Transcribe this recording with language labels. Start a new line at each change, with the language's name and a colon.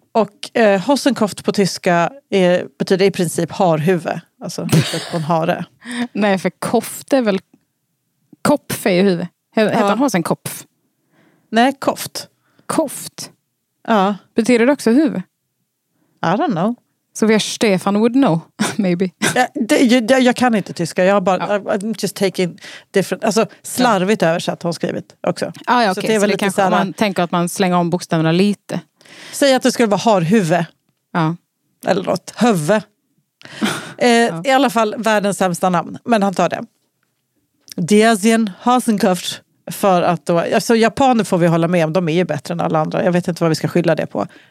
Swedish: Och Hasenkopf på tyska betyder i princip harhuvud. Alltså, på en hare. Nej, för koft är väl... Kopf är ju huvud. Heter han Hasenkopf? Nej, koft. Koft? Ja. Betyder det också huvud?
English: I don't know.
Swedish: Så vi har
English: Stefan would know, maybe.
Swedish: Ja, jag kan inte tyska. Jag har bara... Ja.
English: I'm just taking different...
Swedish: Alltså, slarvigt översatt har hon skrivit också. Ah, ja, okej. Okay. Så det kanske såhär... man tänker att man slänger om bokstäverna lite. Säg att det skulle vara harhuvud. Ja. Eller något. Höve. I alla fall världens sämsta namn, men han tar det. Diazien Hasenkopf, för att då, alltså japaner får vi hålla med om, de är ju bättre än alla andra. Jag vet inte vad vi ska skylla det på.